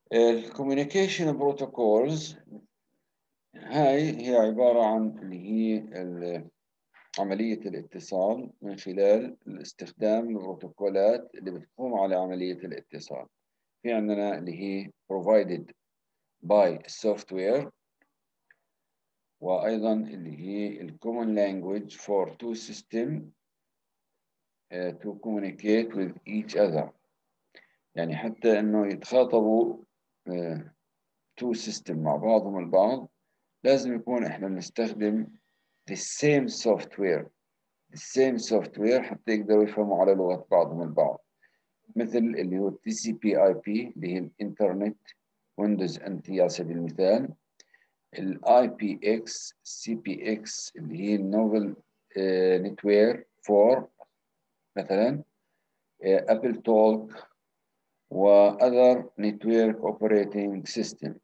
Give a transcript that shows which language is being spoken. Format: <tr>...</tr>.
<ar>الكوميونيكيشن بروتوكولز هاي هي عبارة عن اللي هي عملية الاتصال من خلال الاستخدام البروتوكولات اللي بتقوم على عملية الاتصال. في عندنا اللي هي</ar> <en>provided by software، وأيضا اللي هي الـ common language for two systems to communicate with each other.</en> <ar>يعني حتى أنه يتخاطبوا</ar> <en>two systems</en> <ar>مع بعضهم البعض لازم يكون إحنا نستخدم</ar> <en>the same software, the same software</en> <ar>حتى يقدروا يفهموا على لغة بعضهم البعض. مثل اللي هو TCP/IP اللي هي الإنترنت ويندوز أنتي على سبيل المثال، الـ IPX CPX اللي هي النوفل نتوير فور مثلا أبل تولك و</ar> <en>other network operating system.</en>